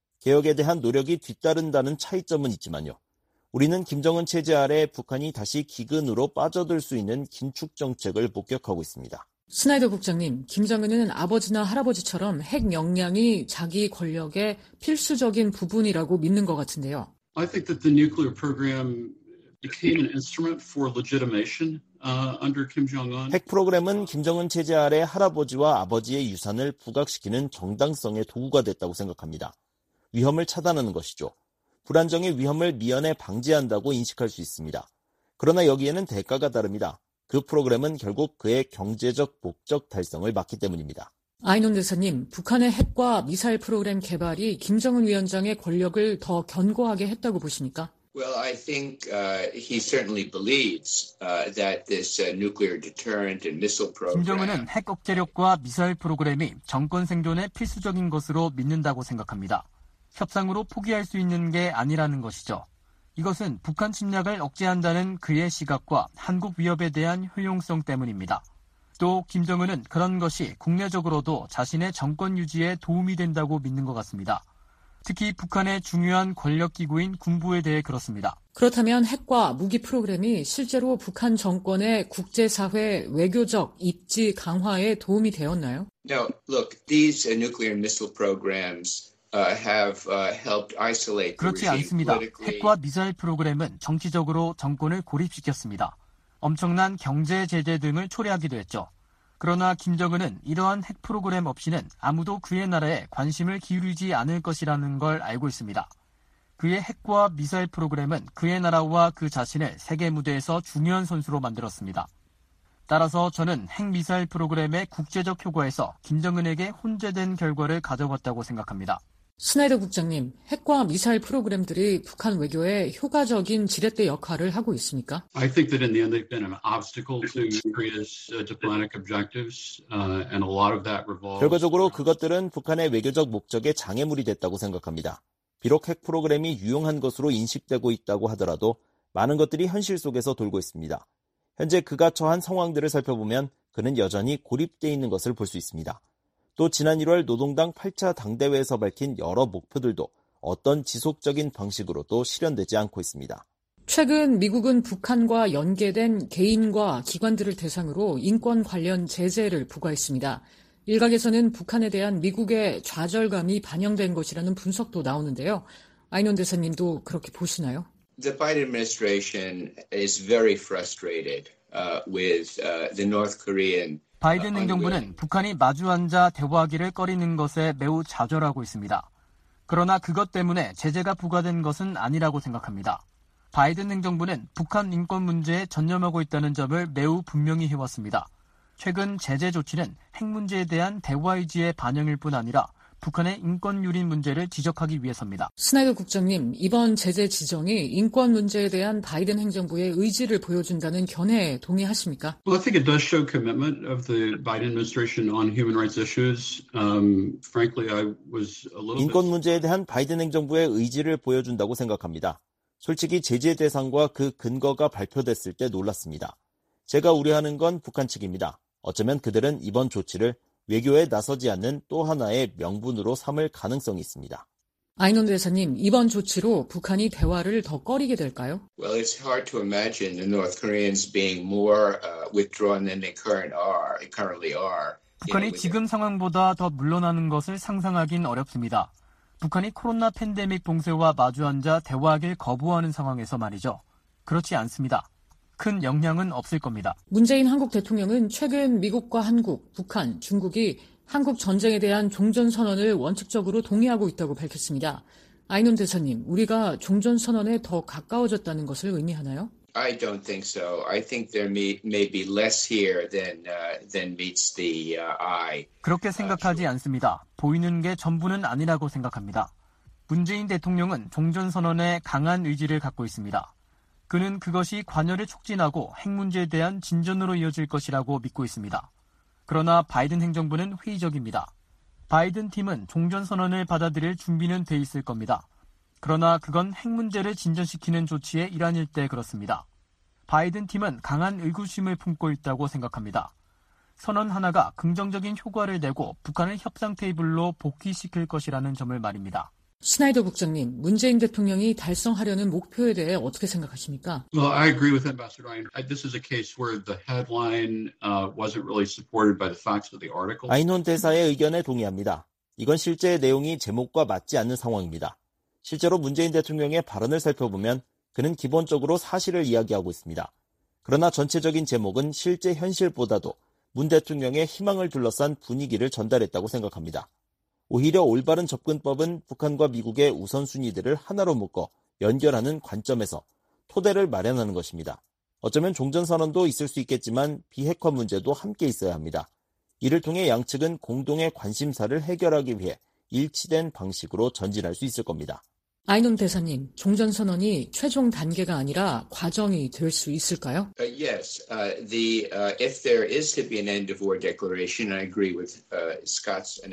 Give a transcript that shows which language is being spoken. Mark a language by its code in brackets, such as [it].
[ko] 개혁에 대한 노력이 뒤따른다는 차이점은 있지만요. 우리는 김정은 체제 아래 북한이 다시 기근으로 빠져들 수 있는 긴축 정책을 목격하고 있습니다. 스나이더 국장님, 김정은은 아버지나 할아버지처럼 핵 역량이 자기 권력의 필수적인 부분이라고 믿는 것 같은데요. [en] I think that the nuclear program became an instrument for legitimation under Kim Jong-un. [ko] 핵 프로그램은 김정은 체제 아래 할아버지와 아버지의 유산을 부각시키는 정당성의 도구가 됐다고 생각합니다. 위험을 차단하는 것이죠. 불안정의 위험을 미연에 방지한다고 인식할 수 있습니다. 그러나 여기에는 대가가 다릅니다. 그 프로그램은 결국 그의 경제적 목적 달성을 막기 때문입니다. 아인혼 대사님, 북한의 핵과 미사일 프로그램 개발이 김정은 위원장의 권력을 더 견고하게 했다고 보십니까? [en] Well, I think he certainly believes that this nuclear deterrent and missile program [ko] 김정은은 핵 억제력과 미사일 프로그램이 정권 생존에 필수적인 것으로 믿는다고 생각합니다. 협상으로 포기할 수 있는 게 아니라는 것이죠. 이것은 북한 침략을 억제한다는 그의 시각과 한국 위협에 대한 효용성 때문입니다. 또 김정은은 그런 것이 국내적으로도 자신의 정권 유지에 도움이 된다고 믿는 것 같습니다. 특히 북한의 중요한 권력기구인 군부에 대해 그렇습니다. 그렇다면 핵과 무기 프로그램이 실제로 북한 정권의 국제사회 외교적 입지 강화에 도움이 되었나요? [en] Now, look, these nuclear missile programs have helped isolate the [ko] 그렇지 않습니다. 핵과 미사일 프로그램은 정치적으로 정권을 고립시켰습니다. 엄청난 경제 제재 등을 초래하기도 했죠. 그러나 김정은은 이러한 핵 프로그램 없이는 아무도 그의 나라에 관심을 기울이지 않을 것이라는 걸 알고 있습니다. 그의 핵과 미사일 프로그램은 그의 나라와 그 자신을 세계 무대에서 중요한 선수로 만들었습니다. 따라서 저는 핵미사일 프로그램의 국제적 효과에서 김정은에게 혼재된 결과를 가져왔다고 생각합니다. 스나이더 국장님, 핵과 미사일 프로그램들이 북한 외교에 효과적인 지렛대 역할을 하고 있습니까? [en] I think that in the end they've been an obstacle to Korea's diplomatic objectives, and a lot of that revolves. [ko] 결과적으로 그것들은 북한의 외교적 목적에 장애물이 됐다고 생각합니다. 비록 핵 프로그램이 유용한 것으로 인식되고 있다고 하더라도 많은 것들이 현실 속에서 돌고 있습니다. 현재 그가 처한 상황들을 살펴보면 그는 여전히 고립돼 있는 것을 볼 수 있습니다. 또 지난 1월 노동당 8차 당대회에서 밝힌 여러 목표들도 어떤 지속적인 방식으로도 실현되지 않고 있습니다. 최근 미국은 북한과 연계된 개인과 기관들을 대상으로 인권 관련 제재를 부과했습니다. 일각에서는 북한에 대한 미국의 좌절감이 반영된 것이라는 분석도 나오는데요. 아이논 대사님도 그렇게 보시나요? [en] The Biden administration is very frustrated with the North Korean. [ko] 바이든 행정부는 북한이 마주 앉아 대화하기를 꺼리는 것에 매우 좌절하고 있습니다. 그러나 그것 때문에 제재가 부과된 것은 아니라고 생각합니다. 바이든 행정부는 북한 인권 문제에 전념하고 있다는 점을 매우 분명히 해왔습니다. 최근 제재 조치는 핵 문제에 대한 대화 의지의 반영일 뿐 아니라 북한의 인권 유린 문제를 지적하기 위해서입니다. 스나이더 국장님, 이번 제재 지정이 인권 문제에 대한 바이든 행정부의 의지를 보여준다는 견해에 동의하십니까? [en] Well, I think it does show commitment of the Biden administration on human rights issues. Frankly, I was a little [ko] 인권 문제에 대한 바이든 행정부의 의지를 보여준다고 생각합니다. 솔직히 제재 대상과 그 근거가 발표됐을 때 놀랐습니다. 제가 우려하는 건 북한 측입니다. 어쩌면 그들은 이번 조치를 외교에 나서지 않는 또 하나의 명분으로 삼을 가능성이 있습니다. 아이논 대사님, 이번 조치로 북한이 대화를 더 꺼리게 될까요? [en] Well, it's hard to imagine the North Koreans being more withdrawn than they currently are. [ko] 북한이 지금 상황보다 더 물러나는 것을 상상하긴 어렵습니다. 북한이 코로나 팬데믹 봉쇄와 마주앉아 대화하길 거부하는 상황에서 말이죠. 그렇지 않습니다. 큰 영향은 없을 겁니다. 문재인 한국 대통령은 최근 미국과 한국, 북한, 중국이 한국 전쟁에 대한 종전선언을 원칙적으로 동의하고 있다고 밝혔습니다. 아이논 대사님, 우리가 종전선언에 더 가까워졌다는 것을 의미하나요? [en] I don't think so. I think there may be less here than meets the eye. [ko] 그렇게 생각하지 않습니다. 보이는 게 전부는 아니라고 생각합니다. 문재인 대통령은 종전선언에 강한 의지를 갖고 있습니다. 그는 그것이 관여를 촉진하고 핵 문제에 대한 진전으로 이어질 것이라고 믿고 있습니다. 그러나 바이든 행정부는 회의적입니다. 바이든 팀은 종전선언을 받아들일 준비는 돼 있을 겁니다. 그러나 그건 핵 문제를 진전시키는 조치의 일환일 때 그렇습니다. 바이든 팀은 강한 의구심을 품고 있다고 생각합니다. 선언 하나가 긍정적인 효과를 내고 북한을 협상 테이블로 복귀시킬 것이라는 점을 말입니다. 스나이더 국장님, 문재인 대통령이 달성하려는 목표에 대해 어떻게 생각하십니까? [en] Well, I agree with Ambassador Ryan. This is a case where the headline wasn't really supported by the facts of the article. [ko] 아이논 대사의 의견에 동의합니다. 이건 실제 내용이 제목과 맞지 않는 상황입니다. 실제로 문재인 대통령의 발언을 살펴보면 그는 기본적으로 사실을 이야기하고 있습니다. 그러나 전체적인 제목은 실제 현실보다도 문 대통령의 희망을 둘러싼 분위기를 전달했다고 생각합니다. 오히려 올바른 접근법은 북한과 미국의 우선순위들을 하나로 묶어 연결하는 관점에서 토대를 마련하는 것입니다. 어쩌면 종전선언도 있을 수 있겠지만 비핵화 문제도 함께 있어야 합니다. 이를 통해 양측은 공동의 관심사를 해결하기 위해 일치된 방식으로 전진할 수 있을 겁니다. 아이논 대사님, 종전선언이 최종 단계가 아니라 과정이 될 수 있을까요? [en] If there is to be an end of war declaration, I agree with Scott's analysis.